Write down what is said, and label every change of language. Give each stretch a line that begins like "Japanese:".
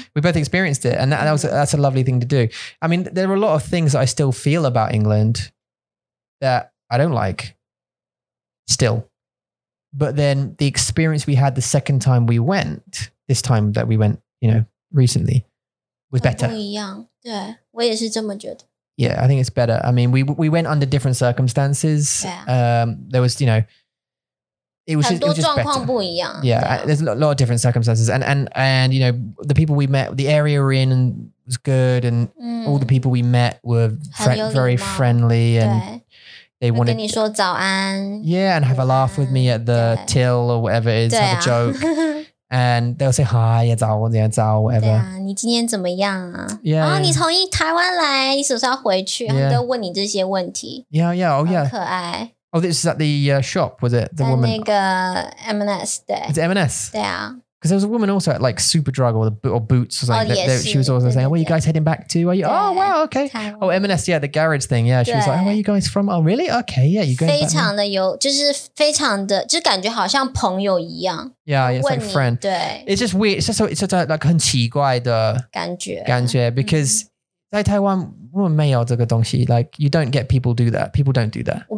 English: We both experienced it, and that's a lovely thing to do. I mean, there are a lot of things that I still feel about England that I don't like, still. But then the experience we had the second time we went, this time that we went, you know, recently, was better.
Chinese: 不一样，对，我也是这么觉得。
English: Yeah, I think it's better. I mean, we went under different circumstances. Yeah. There was, you know,It was just better. Yeah, there's a lot of different circumstances. And you know, the people we met, the area we're in was good. And、mm. all the people we met were very friendly. And they wanted to
Chinese: 跟你说早安。
English: Yeah, and have a laugh with me at the till or whatever it is, have a joke. And they'll say, hi,
Chinese: 早安 早
English: whatever.
Chinese: 对啊，你今天怎么样啊？
English: Yeah.
Chinese: 你从台湾来，你是不是要回去？他们都问你这些问题。
English: Yeah, yeah, oh yeah.
Chinese: 可爱。
English: Oh, this is at the、shop, was it? The woman. M&S, 对。It's M&S? 对啊。Because there was a woman also at like Superdrug or Boots. Or something. Oh, yeah, she was always saying, where are you guys heading back to? Are you? Oh, wow, okay. Oh, M&S, yeah, the garage thing. Yeah, she was like, oh, where are you guys from? Oh, really? Okay, yeah, you're going back.
Chinese: 非常的有，就是非常的，就感觉好像朋友一样。
English: Yeah, yeah, it's like a friend.
Chinese: 对。
English: It's just weird. It's just a, like
Chinese: 很奇怪的感觉
English: because...、Mm-hmm.
Chinese: 在台湾我们没有这个东西
English: like you don't get people do that people don't do that